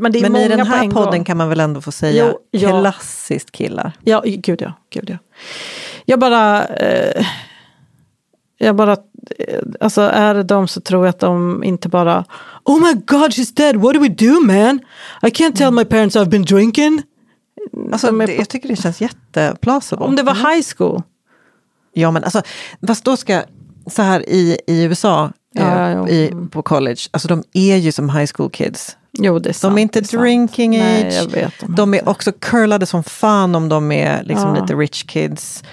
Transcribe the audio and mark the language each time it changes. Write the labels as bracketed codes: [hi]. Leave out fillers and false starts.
[sv] Men, det är men många i den här poäng podden kan man väl ändå få säga jo, ja. Klassiskt killar. Ja, gud ja, gud ja. Alltså är det de så tror jag att de inte bara [en] oh my god, she's dead, what do we do man? I can't tell my parents I've been drinking. [sv] Alltså, jag tycker det känns jätteplausible. Om det var high school. Ja, men alltså, fast då ska så här i USA på college, alltså de är ju som high school kids. Jo, det är sant. De är inte drinking sant. [en] Age. [sv] Nej, jag vet. De är också curlade som fan om de är liksom lite rich kids.